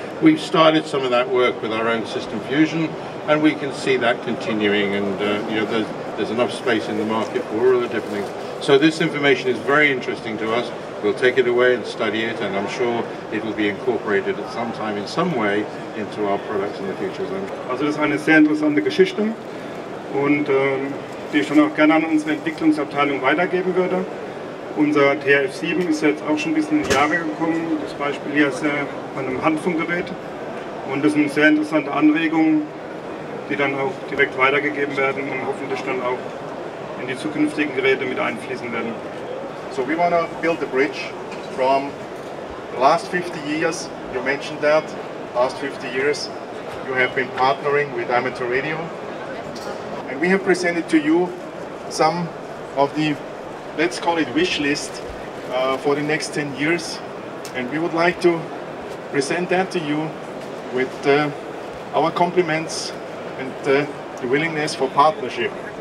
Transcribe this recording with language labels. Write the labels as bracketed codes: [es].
[en] We've started some of that work with our own system fusion, and we can see that continuing, and you know, there's enough space in the market for all the different things. So this information is very interesting to us. We'll take it away and study it, and I'm sure it will be incorporated at some time in some way into our products in the future. [de] Also das ist eine sehr interessante Geschichte, und die ich schon auch gerne an unsere Entwicklungsabteilung weitergeben würde. Unser TRF-7 ist jetzt auch schon ein bisschen in die Jahre gekommen, das Beispiel hier ist an einem Handfunkgerät, und das ist eine sehr interessante Anregung, die dann auch direkt weitergegeben werden und hoffentlich dann auch in die zukünftigen Geräte mit einfließen werden. [en] So we want to build a bridge from the last 50 years, you mentioned that, last 50 years you have been partnering with amateur radio, and we have presented to you some of the, let's call it, wish list for the next 10 years, and we would like to present that to you with our compliments and the willingness for partnership.